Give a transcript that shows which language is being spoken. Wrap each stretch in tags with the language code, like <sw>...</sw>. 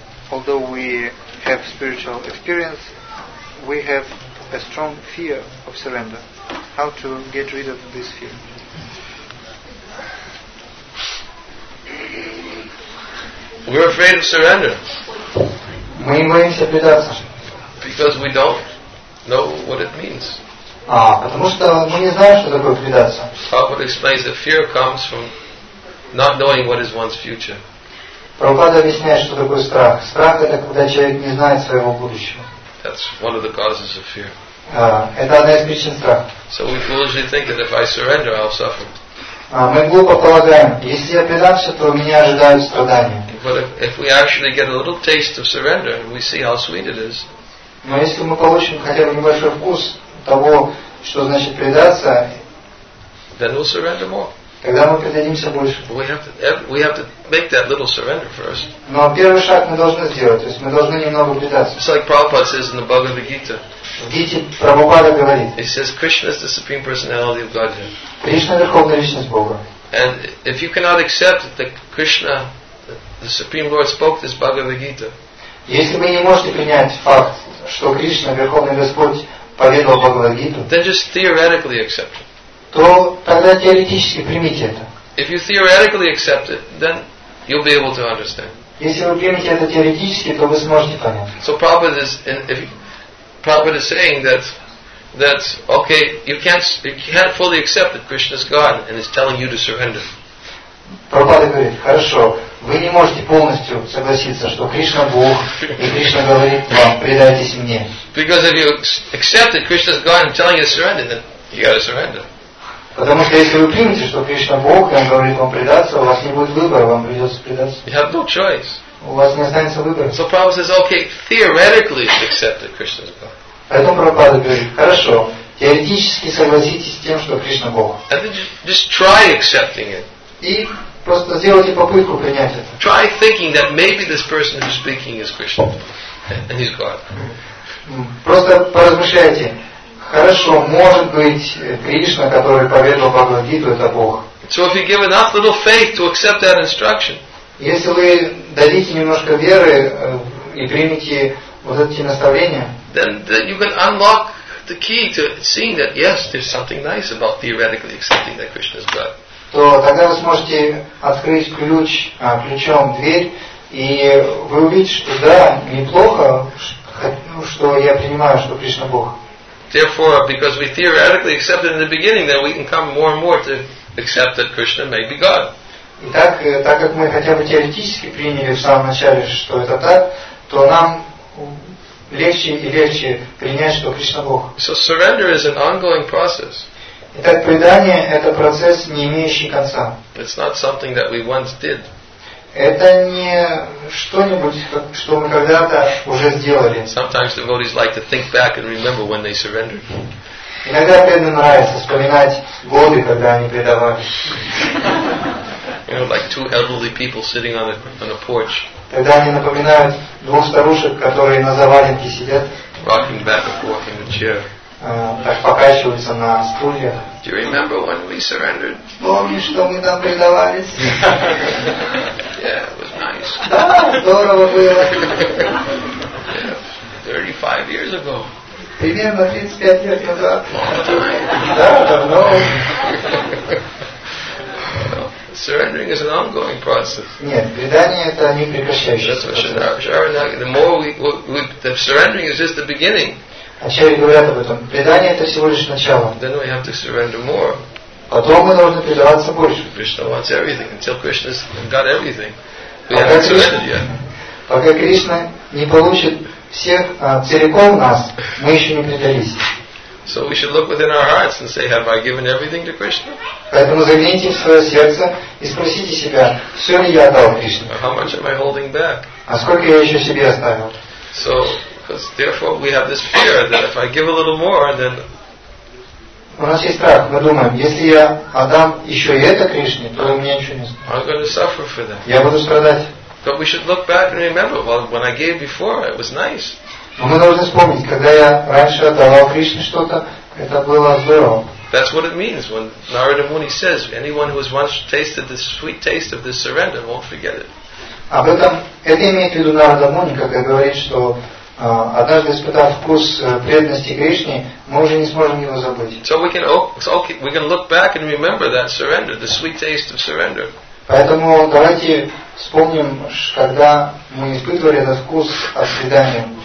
<en>Although we have spiritual experience, we have a strong fear of surrender. How to get rid of this fear? We're afraid of surrender.</en> <ru>Мы боимся предаться.</ru> <en>Because we don't know what it means.</en> <ru>Потому что мы не знаем, что такое предаться.</ru> <en>Prabhupada explains that fear comes from not knowing what is one's future.</en> <ru>Prabhupada объясняет, что такое страх. Страх — это когда человек не знает своего будущего.</ru> <en>That's one of the causes of fear.</en> <ru>Это одна из причин страха.</ru> <en>So we foolishly think that if I surrender, I'll suffer.</en> <ru>Мы глупо полагаем, если я предамся, то меня ожидают страдания.</ru> <en>But if we actually get a little taste of surrender, we see how sweet it is.</en> <ru>Но если мы получим хотя бы небольшой вкус того, что значит предаться,</ru> <en>then we'll surrender more.</en> <ru>Тогда мы предадимся больше.</ru> <en>We have to make that little surrender first.</en> <ru>Но первый шаг мы должны сделать, то есть мы должны немного предаться.</ru> <en>It's like Prabhupada says in the Bhagavad Gita.</en> <ru>В Гите Прабхупада говорит.</ru> <en>He says Krishna is the supreme personality of Godhead.</en> <ru>Кришна — верховная личность Бога.</ru> <en>And if you cannot accept that Krishna, the supreme Lord, spoke this Bhagavad Gita,</en> <ru>если вы не можете принять факт, что Кришна, верховный Господь, поведал Бхагавад Гиту,</ru> <en>then just theoretically accept it.</en> <ru>То тогда теоретически примите это.</ru> <en>If you theoretically accept it, then you'll be able to understand.</en> <ru>Если вы примете это теоретически, то вы сможете понять.</ru> <en>So Prabhupada is saying that okay, you can't fully accept that Krishna is God and is telling you to surrender.</en> <ru>Prabhupada говорит, хорошо, вы не можете полностью согласиться, что Кришна Бог, и Кришна говорит вам, предайтесь мне.</ru> <en>Because if you accept that Krishna is God and telling you to surrender, then You got to surrender.</en> <ru>Потому что если вы примете, что Кришна Бог, и Он говорит вам предаться, у вас не будет выбора, вам придется предаться.</ru> <en>You have no choice.</en> <ru>У вас не останется выбора.</ru> <en>So Prabhupada says, okay, theoretically accept that Krishna is God.</en> <ru>Поэтому Прабхупада говорит, хорошо, теоретически согласитесь с тем, что Кришна Бог.</ru> <en>And then just try accepting it.</en> <ru>И просто сделайте попытку принять это.</ru> <en>Try thinking that maybe this person who's speaking is Krishna, and he's God.</en> <ru>Просто поразмышляйте. Хорошо, может быть, Кришна, который поведал Бхагавад-гиту, это Бог.</ru> <en>So if you give enough little faith to accept that instruction.</en> <ru>Если вы дадите немножко веры и примете вот эти наставления,</ru> <en>then you can unlock the key to seeing that yes, there's something nice about theoretically accepting that Krishna is God.</en> <ru>То тогда вы сможете открыть ключом дверь, и вы увидите, что да, неплохо, что я принимаю, что Кришна Бог.</ru> <en>Therefore, because we theoretically accepted in the beginning, then we can come more and more to accept that Krishna may be God.</en> <ru>Итак, так как мы хотя бы теоретически приняли в самом начале, что это так, то нам легче и легче принять, что Кришна Бог.</ru> <en>So surrender is an ongoing process.</en> <ru>Итак, предание — это процесс, не имеющий конца.</ru> <en>It's not something that we once did.</en> <ru>Это не что-нибудь, что мы когда-то уже сделали.</ru> <en>Sometimes devotees like to think back and remember when they surrendered.</en> <ru>Иногда преданным нравится вспоминать годы, когда они предавали.</ru> <en>You know, like two elderly people sitting on a porch.</en> <ru>Тогда они напоминают двух старушек, которые на заваленке сидят.</ru> <en>Rocking back and forth in the chair.</en> <ru>Так покачиваются на стульях.</ru> <en>Do you remember when we surrendered?</en> <ru>Помнишь, что мы там предавались?</ru> <en>Yeah, it was nice.</en> <ru>Да, здорово было.</ru> <en>Yeah, 35 years ago.</en> <ru>Примерно 35 лет назад.</ru> <en>Long time.</en> <ru>Да, давно.</ru> <en>Surrendering is an ongoing process.</en> <ru>Нет, предание это не прекращающееся процесс.</ru> <en>The more the surrendering is just the beginning.</en> <ru>А чаще говорят об этом. Предание это всего лишь начало.</ru> <en>Then we have to surrender more.</en> <ru>Потом мы должны предаваться больше.</ru> <en>Krishna wants everything until Krishna's got everything. We haven't surrendered yet.</en> <ru>Пока Кришна не получит всех целиком нас, мы еще не предались.</ru> <en>So we should look within our hearts and say, have I given everything to Krishna?</en> <ru>Поэтому загляните в свое сердце и спросите себя, все ли я отдал Кришне?</ru> <en>How much am I holding back?</en> <ru>А сколько я еще себе оставил?</ru> <en>So, because therefore we have this fear that if I give a little more, then...</en> <ru>У нас есть страх. Мы думаем, если я отдам еще и это Кришне, то у меня ничего не останется.</ru> <en>I'm going to suffer for that.</en> <ru>Я буду страдать.</ru> <en>But we should look back and remember, well, when I gave before, it was nice.</en> <ru>Но мы должны вспомнить, когда я раньше отдавал Кришне что-то, это было здорово.</ru> <en>That's what it means when Narada Muni says, anyone who has once tasted the sweet taste of this surrender won't forget it.</en> <ru>Об этом, это имеет в виду Нарада Муни, когда говорит, что однажды испытав вкус преданности Кришне, мы уже не сможем его забыть.</ru> <en>So we can, we can look back and remember that surrender, the sweet taste of surrender.</en> <ru>Поэтому давайте вспомним, когда мы испытывали этот вкус от предания.</ru>